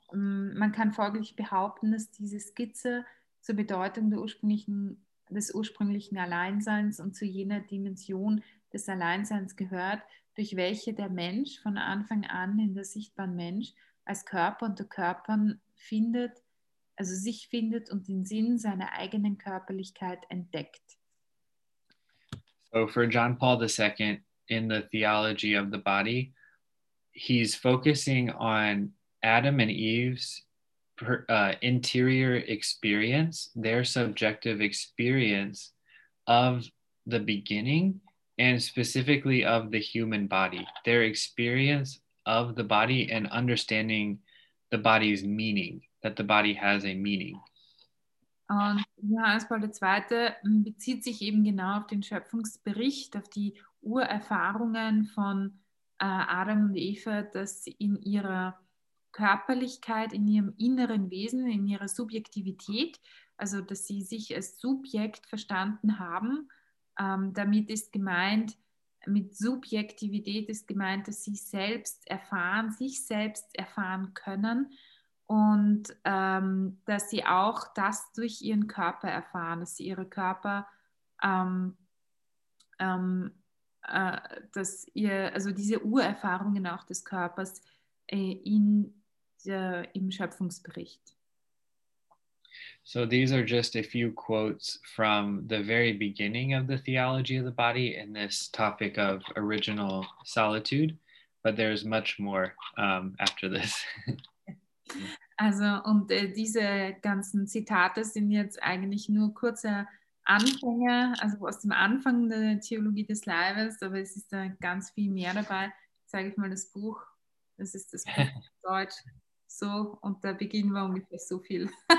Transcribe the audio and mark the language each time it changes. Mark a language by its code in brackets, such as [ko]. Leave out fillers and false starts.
[de] man kann folglich behaupten, dass diese Skizze zur Bedeutung des ursprünglichen Alleinseins und zu jener Dimension des Alleinseins gehört, durch welche der Mensch von Anfang an in der sichtbaren Mensch als Körper unter Körpern findet, also sich findet und den Sinn seiner eigenen Körperlichkeit entdeckt. [en] So for John Paul II in the theology of the body, he's focusing on Adam and Eve's interior experience, their subjective experience of the beginning and specifically of the human body, their experience of the body and understanding the body's meaning, that the body has a meaning. [de] Und Johannes Paul II. Bezieht sich eben genau auf den Schöpfungsbericht, auf die Urerfahrungen von Adam und Eva, dass in ihrer Körperlichkeit, in ihrem inneren Wesen, in ihrer Subjektivität, also dass sie sich als Subjekt verstanden haben. Damit ist gemeint, mit Subjektivität ist gemeint, dass sie selbst erfahren, sich selbst erfahren können und dass sie auch das durch ihren Körper erfahren, dass sie ihre Körper, dass ihr, also diese Urerfahrungen auch des Körpers im Schöpfungsbericht. [en] So these are just a few quotes from the very beginning of the theology of the body in this topic of original solitude, but there's much more after this. [de] Also, und diese ganzen Zitate sind jetzt eigentlich nur kurze Anfänge, also aus dem Anfang der Theologie des Leibes, aber es ist da ganz viel mehr dabei. Zeige ich mal das Buch. Das ist das Buch auf Deutsch. So, und da beginnen wir ungefähr so viel.